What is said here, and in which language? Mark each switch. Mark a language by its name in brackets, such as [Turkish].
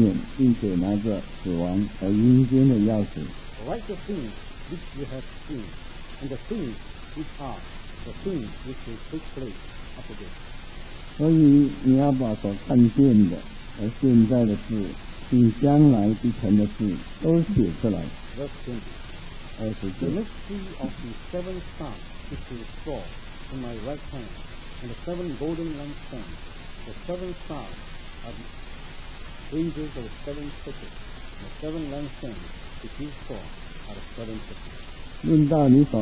[Chinese] 我曾死过，现在又活了，是活到永永远远，并且拿着死亡和阴间的钥匙。 [English] Write the things which you have seen, and the things which are, the things which will take place after this. [Chinese] 所以你要把所看见的和现在的事，并将来必成的事都写出来。 [English] The mystery of the seven stars which you saw in my right hand. And the seven golden lampstands, the seven stars are the angels of the seven churches, and the seven lampstands which you saw are the seven churches.